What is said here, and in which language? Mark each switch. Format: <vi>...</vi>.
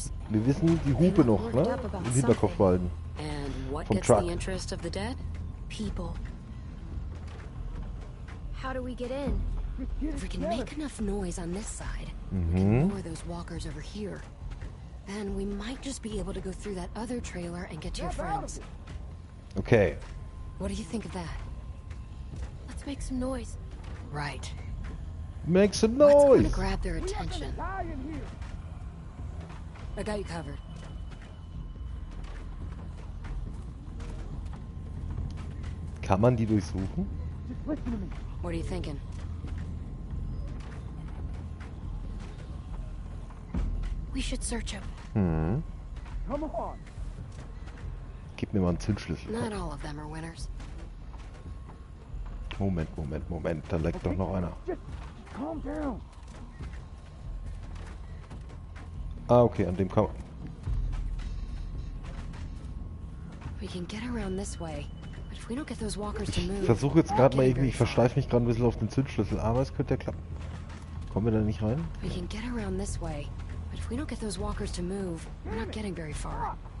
<de>Wir wissen die Hupe noch, ne? Im Hinterkopf behalten.</de> <en>What gets the interest of the dead? People. How do we get in? If we can make enough noise on this side, we can ignore those walkers over here. Then we might just be able to go through that other trailer and get to your friends. Okay. What do you think of that? Let's make some noise. Right. Make some noise. What's gonna grab their attention? I got you covered.</en> <de>Kann man die durchsuchen?</de> <en>What are you thinking? We should search him. Come on.</en> <de>Gib mir mal einen Zündschlüssel.</de> <en>Not all of them are winners.</en> <de>Moment, Moment, Moment, da leckt doch noch einer.</de> <en>Calm down.</en> <de>Ah, okay, an dem kann man.</de> <en>We can get around this way.</en> <de>Ich versuche jetzt gerade mal irgendwie, ich versteife mich gerade ein bisschen auf den Zündschlüssel, aber es könnte ja klappen. Kommen wir da nicht rein?</de> <en>We can get around this way, but if we don't get those walkers to move, we're not getting very far.</en>